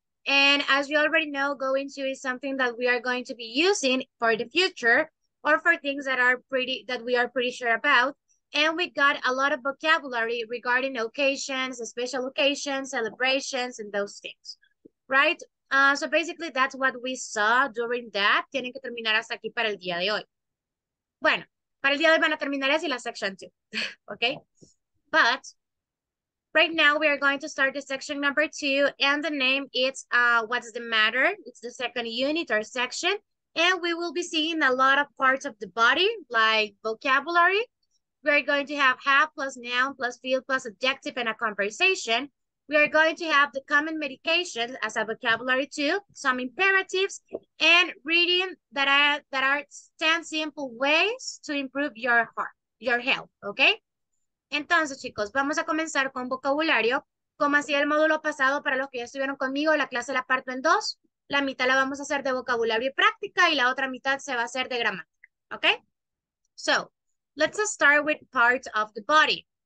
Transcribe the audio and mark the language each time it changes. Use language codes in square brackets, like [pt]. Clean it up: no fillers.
[en] And as you already know, going to is something that we are going to be using for the future. Or for things that we are pretty sure about. And we got a lot of vocabulary regarding occasions, special occasions, celebrations, and those things. Right? So basically, that's what we saw during that. [es] Tienen que terminar hasta aquí para el día de hoy. Bueno, para el día de hoy van a terminar así la [en] section two. Okay? But right now we are going to start the section number two. And the name is What's the Matter? It's the second unit or section. And we will be seeing a lot of parts of the body, like vocabulary. We're going to have plus noun plus field plus adjective and a conversation. We are going to have the common medications as a vocabulary too, some imperatives, and reading that are 10 simple ways to improve your health, okay? [es] Entonces, chicos, vamos a comenzar con vocabulario. Como hacía el módulo pasado para los que ya estuvieron conmigo, la clase la parto en dos. La mitad la vamos a hacer de vocabulario y práctica y la otra mitad se va a hacer de gramática, okay? [en] So, let's start with parts of the body.